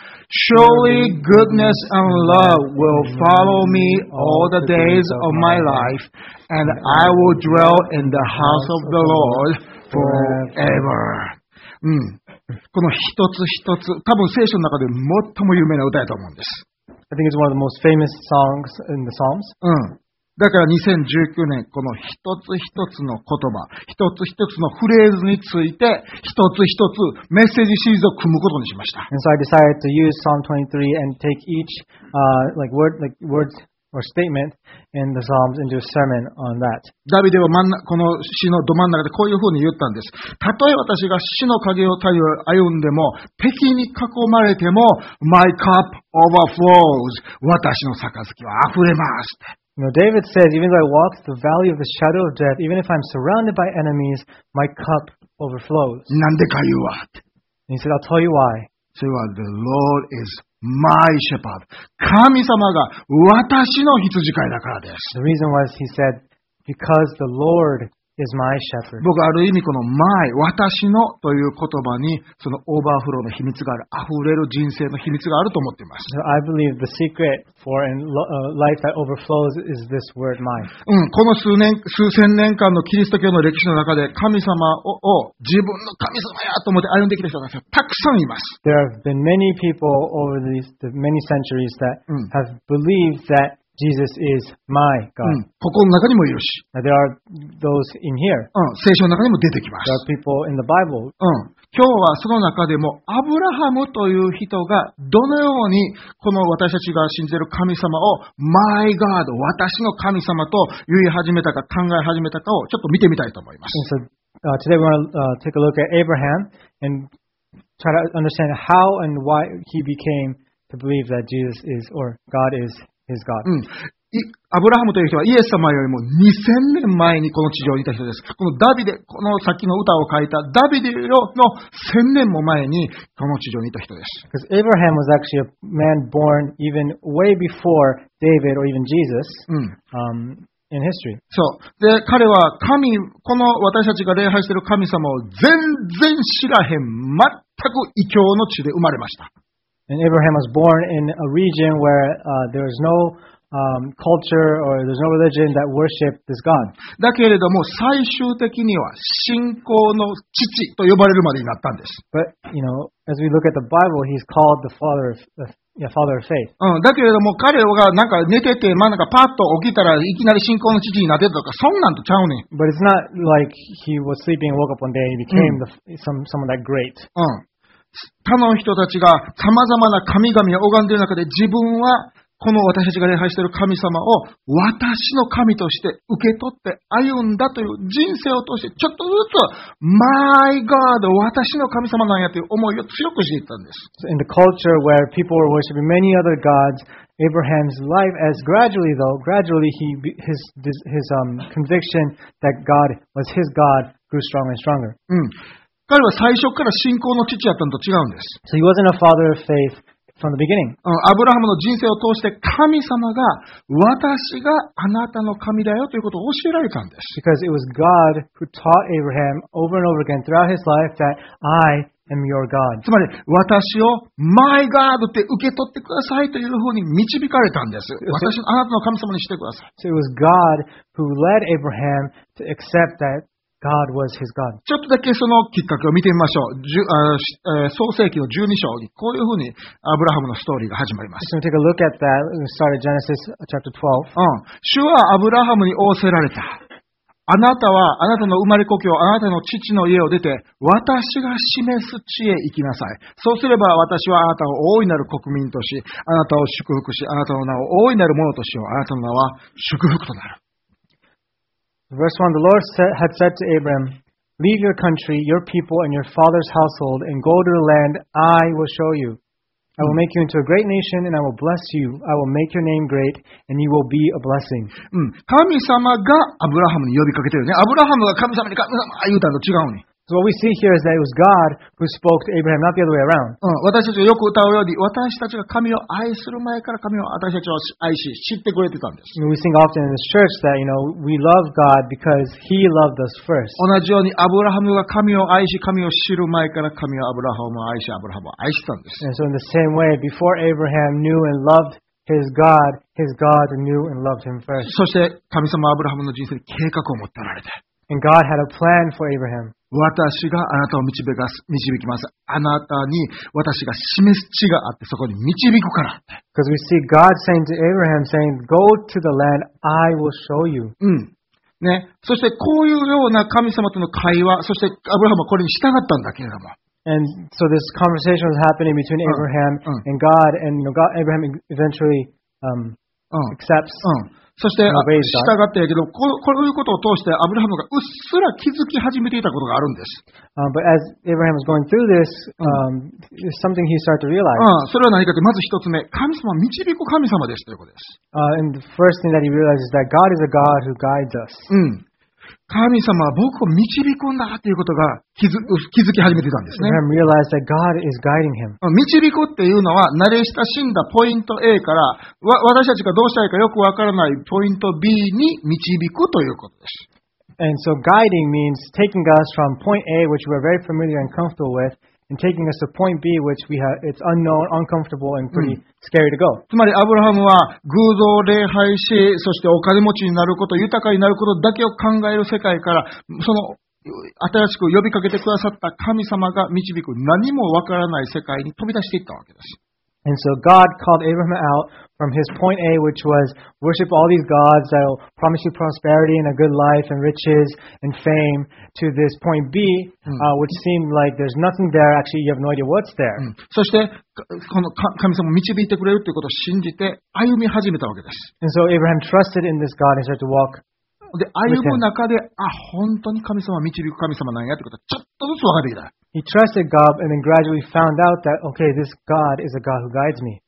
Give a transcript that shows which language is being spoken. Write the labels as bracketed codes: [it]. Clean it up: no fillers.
[en] Surely goodness and love will follow me all the days of my life, and I will dwell in the house of the Lord forever.、 [ja] うん、この一つ一つ、多分聖書の中で最も有名な歌だと思うんです。 [en] I think it's one of the most famous songs in the Psalms.、 [ja] うん、だから2019年、この一つ一つの言葉、一つ一つのフレーズについて、一つ一つメッセージシリーズを組むことにしました。 [en] And so I decided to use Psalm 23 and take each, like word, like words or statement in the Psalms into a sermon on that. [ja] ダビデはこの詩のど真ん中でこういうふうに言ったんです。たとえ私が死の影を頼り歩んでも、敵に囲まれても、 [en] My cup overflows. [ja] 私の杯は溢れます。 [en] You know, David says, even though I walk the valley of the shadow of death, even if I'm surrounded by enemies, my cup overflows. [ja] なんでか言うわ。 [en] And he said, I'll tell you why. So the Lord is my shepherd. [ja] 神様が私の羊飼いだからです。 [en] The reason was, he said, because the Lord is my shepherd. [ja] 僕ある意味この my 私のという言葉にそのオーバーフローの秘密がある、あふれる人生の秘密があると思っています。 [en] So、I believe the secret for a life that overflows is this word my. [ja] うん、この数年数千年間のキリスト教の歴史の中で神様 を自分の神様やと思って歩んできた人がたくさんいます。 [en] There have been many people over the many centuries that have believed thatJesus is my God. [ja] ここの中にもいるし。 [en] There are those in here. [ja] 聖書の中にも出てきます。 [en] There are people in the Bible. [ja] 今日はその中でもアブラハムという人がどのようにこの私たちが信じている神様を [en] My God, [ja] 私の神様と言い始めたか考え始めたかをちょっと見てみたいと思います。 [en] And so, today we're going to take a look at Abraham and try to understand how and why he became to believe that Jesus is or God is. His God. [ja] アブラハムという人はイエス様よりも2000年前にこの地上にいた人です。このダビデ、この先の歌を書いたダビデよの1000年も前にこの地上にいた人です。 [en] Because Abraham was actually a man born even way before David or even Jesus. In history. [ja] そう。で、彼は神、この私たちが礼拝している神様を全然知らへん、全く異教の地で生まれました。 [en] And Abraham was born in a region where there was no culture or there's no religion that worshipped this God. [ja] だけれども最終的には信仰の父と呼ばれるまでになったんです。 [en] But you know, as we look at the Bible, he's called the father of father of faith. [ja] だけれども彼がなんか寝てて、まあ、なんかパッと起きたらいきなり信仰の父になってたとかそんなんとちゃうねん。 [en] But it's not like he was sleeping and woke up one day and became someone that great. [ja] 他の人たちが様々な神々を拝んでいる中で自分はこの私たちが礼拝している神様を私の神として受け取って歩んだという人生を通してちょっとずつ [en] My God [ja] 私の神様なんやという思いを強くしていったんです。 [en] In the culture where people were worshiping many other gods, Abraham's life as gradually though, gradually he, his conviction that God was his God grew stronger and stronger. [ja] 彼は最初から信仰の父だったのと違うんです。 [en] So he wasn't a father of faith from the beginning. [ja] アブラハムの人生を通して神様が私があなたの神だよということを教えられたんです。 [en] Because it was God who taught Abraham over and over again throughout his life that I am your God. [ja] つまり私を [en] My God [ja] って受け取ってくださいというふうに導かれたんです。私のあなたの神様にしてください。 [en] So it was God who led Abraham to accept thatGod was his God. [ja] ちょっとだけそのきっかけを見てみましょう。創世記の12章にこういうふうにアブラハムのストーリーが始まります。 [en] Let's take a look at that. Let's start at Genesis chapter 12. [ja] 主はアブラハムに仰せられた。あなたはあなたの生まれ故郷、あなたの父の家を出て、私が示す地へ行きなさい。そうすれば私はあなたを大いなる国民とし、あなたを祝福し、あなたの名を大いなるものとしよう。あなたの名は祝福となる。 [en] Verse 1, the Lord had said to Abram, Leave your country, your people, and your father's household, and go to the land I will show you. I will make you into a great nation, and I will bless you. I will make your name great, and you will be a blessing. [ja] 神様がアブラハムに呼びかけてるね。アブラハムが神様に神様言うたのと違うね。 [en] So what we see here is that it was God who spoke to Abraham, not the other way around. [ja] 私たちがよく歌うように、私たちが神を愛する前から神を私たちを愛し、知ってくれてたんです。 [en] We sing often in this church that, you know, we love God because He loved us first. [ja] 同じように、アブラハムが神を愛し、神を知る前から神はアブラハムを愛し、アブラハムを愛したんです。 [en] And so in the same way, before Abraham knew and lovedhis God knew and loved him first. [ja] そして、神様はアブラハムの人生に計画を持っておられて。 [en] And God had a plan for Abraham. [ja] 私があなたを導きます。あなたに私が示す地があってそこに導くから。 [en] Because we see God saying to Abraham, saying, "Go to the land. I will show you." [ja] ね。そしてこういうような神様との会話、そしてアブラハムはこれに従ったんだけれども。 [en] And so this conversation was happening between Abraham and God, and you know, God, Abraham eventually accepts. [ja] そして従ったけど、こういうことを通してアブラハムがうっすら気づき始めていたことがあるんです。 [en] But as Abraham was going through this, something he started to realize. [ja] それは何かって、まず一つ目、神様は導く神様ですということです。 [en] And the first thing that he realizes is that God is a God who guides us. [ja] 神様は僕を導くんだということが気づき始めてたんですね。 [en] Abraham realized that God is guiding him. [ja] 導くっていうのは慣れ親しんだポイント A から私たちがどうしたいかよくわからないポイント B に導くということです。 [en] And so guiding means taking us from point A, which we're very familiar and comfortable with, and taking us to point B, which we have, it's unknown, uncomfortable, and pretty scary to go. [ja] つまりアブラハムは偶像を礼拝し、そしてお金持ちになること、豊かになることだけを考える世界から、その新しく呼びかけてくださった神様が導く何もわからない世界に飛び出していったわけです。 [en] And so God called Abraham out from his point A, which was worship all these gods that will promise you prosperity and a good life and riches and fame, to this point B, which seemed like there's nothing there. Actually, you have no idea what's there. [ja] そしてこの神様を導いてくれるということを信じて歩み始めたわけです。 [en] And so Abraham trusted in this God and started to walk. [ja] で歩む中で、あ、本当に神様を導く神様なんやということをちょっとずつ分かってきた。 [en] He trusted God and then gradually found out that, okay, this God is a God who guides me.